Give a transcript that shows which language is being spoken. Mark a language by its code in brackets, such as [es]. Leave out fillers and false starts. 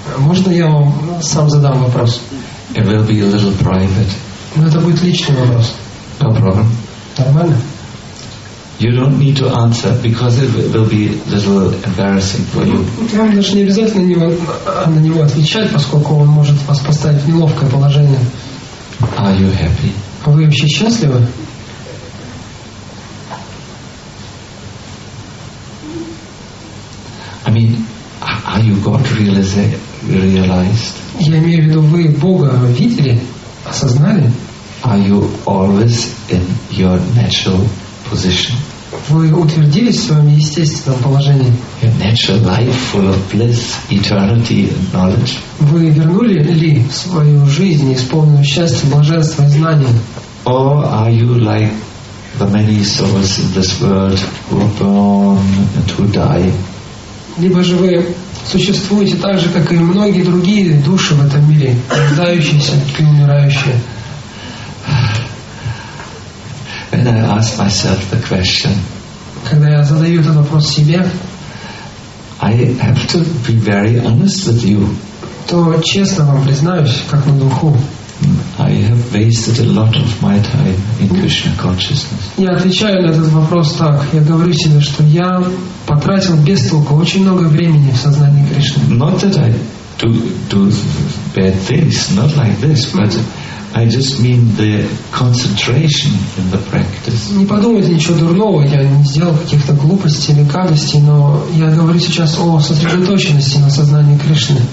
[ru] Можно я вам сам задам вопрос? [en] It will be a little private. [ru] Но это будет личный вопрос. [en] No problem. [ru] Нормально. [en] You don't need to answer because it will be a little embarrassing for you. [ru] Вам даже не обязательно на него отвечать, поскольку он может вас поставить в неловкое положение. [en] Are you happy? [ru] Вы вообще счастливы? [en] I mean, are you God realized? [ru] Я имею в виду, вы Бога видели, осознали? [en] Are you always in your natural position? [ru] Вы утвердились в своем естественном положении? [en] Your natural life full of bliss, eternity and knowledge? [ru] Вы вернули ли в свою жизнь, исполненную счастья, блаженства и знания? [en] Or are you like the many souls in this world who are born and who die? [ru] Либо же вы существуете так же, как и многие другие души в этом мире, рождающиеся и умирающие? [en] When I ask myself the question, [ru] когда я задаю этот вопрос себе, [en] I have to be very honest with you. [ru] То честно вам признаюсь, как на духу. [en] I have wasted a lot of my time in Krishna consciousness. [ru] Я отвечаю на этот вопрос так. Я говорю себе, что я потратил без толку очень много времени в сознании Кришны. [en] Not that I do bad things, not like this, but I just mean the concentration in the practice. [ru] Не подумайте ничего дурного, я не сделал каких-то глупостей или гадостей, но я говорю сейчас о сосредоточенности на сознании Кришны.